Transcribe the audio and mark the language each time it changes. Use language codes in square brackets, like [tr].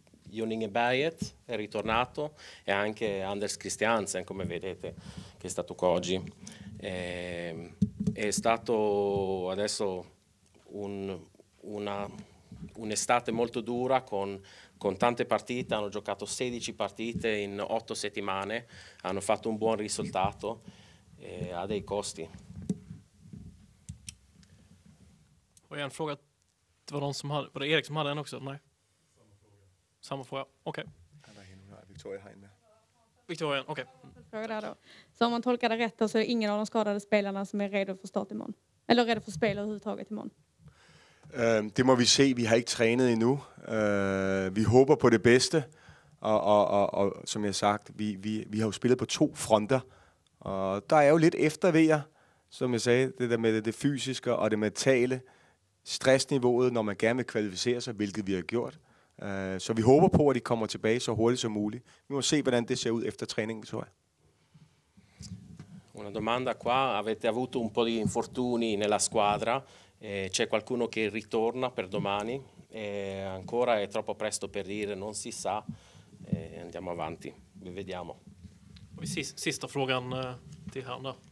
[it] Juninge Berget è ritornato e anche Anders Christiansen come vedete che è stato qua oggi è stato adesso un'estate molto dura con tante partite, hanno giocato 16 partite in 8 settimane, hanno fatto un buon risultato e ha dei costi. Poi hanno [sv] frågat det var någon som hade var det Erik som hade en också? Nej. Samma fråga. Okej. Okay. Victoria, okej. Fråga där då. Så om man tolkar det rätt så är ingen av de skadade spelarna som är redo för start imorgon eller redo för spel överhuvudtaget imorgon. [da] Det må vi se. Vi har ikke trænet endnu. Vi håber på det bedste, og som jeg har sagt, vi har jo spillet på to fronter. Og der er jo lidt efterveger, som jeg sagde, det der med det fysiske og det mentale stressniveauet, når man gerne vil kvalificere sig, hvilket vi har gjort. Så vi håber på, at de kommer tilbage så hurtigt som muligt. Vi må se, hvordan det ser ud efter træningen, tror jeg. [it] Una domanda qua. Avete avuto un po' di infortuni nella squadra? C'è qualcuno che ritorna per domani? Ancora è troppo presto per dire, non si sa. Andiamo avanti, vi vediamo. [sv] Sista frågan till här.